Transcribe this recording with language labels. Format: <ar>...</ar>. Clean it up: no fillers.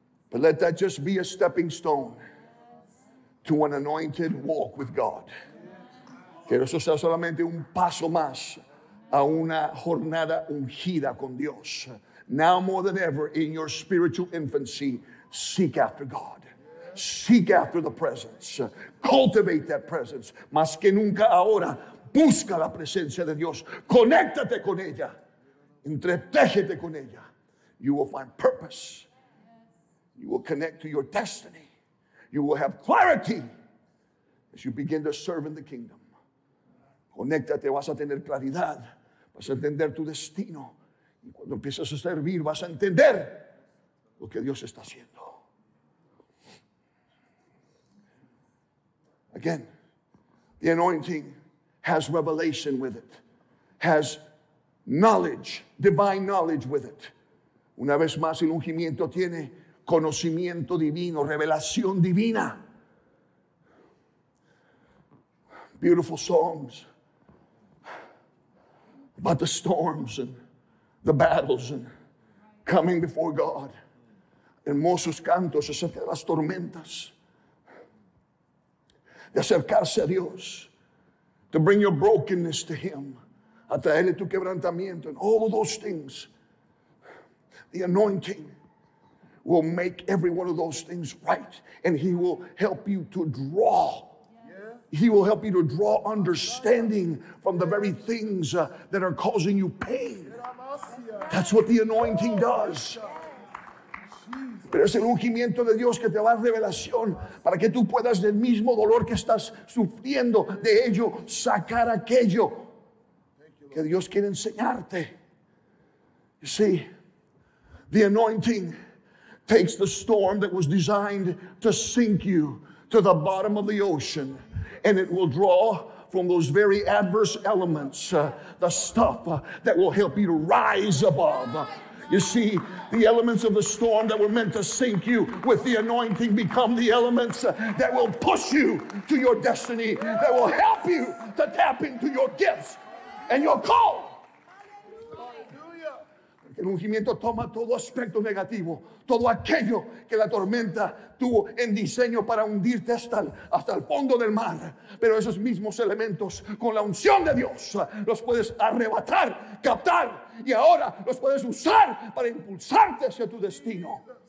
<en>But let that just be a stepping stone to an anointed walk with God.</en> <es>Quiero eso sea solamente un paso más a una jornada ungida con Dios.</es> <en>Now more than ever in your spiritual infancy, seek after God. Seek after the presence. Cultivate that presence.</en> <es>Más que nunca ahora, busca la presencia de Dios. Conéctate con ella. Entretéjete con ella.</es> <en>You will find purpose. You will connect to your destiny. You will have clarity as you begin to serve in the kingdom.</en> <es>Conéctate, vas a tener claridad. Vas a entender tu destino. Y cuando empiezas a servir, vas a entender lo que Dios está haciendo.</es> <en>Again, the anointing has revelation with it, has knowledge, divine knowledge with it.</en> <es>Una vez más, el ungimiento tiene conocimiento divino, revelación divina.</es> <en>Beautiful songs about the storms and the battles and coming before God.</en> <es>Hermosos cantos acerca de las tormentas. De acercarse a Dios, to bring your brokenness to Him, a traerle tu quebrantamiento, and all of those things.</es> <en>The anointing will make every one of those things right, and He will help you to draw. Yeah. He will help you to draw understanding from the very things that are causing you pain. That's what the anointing does.</en> <es>Pero es el ungimiento de Dios que te da revelación para que tú puedas del mismo dolor que estás sufriendo de ello sacar aquello que Dios quiere enseñarte.</es> <en>You see, the anointing takes the storm that was designed to sink you to the bottom of the ocean, and it will draw from those very adverse elements the stuff that will help you to rise above. You see, the elements of the storm that were meant to sink you with the anointing become the elements that will push you to your destiny, that will help you to tap into your gifts and your call.</en> <es>El ungimiento toma todo aspecto negativo, todo aquello que la tormenta tuvo en diseño para hundirte hasta el fondo del mar. Pero esos mismos elementos, con la unción de Dios, los puedes arrebatar, captar, y ahora los puedes usar para impulsarte hacia tu destino.</es>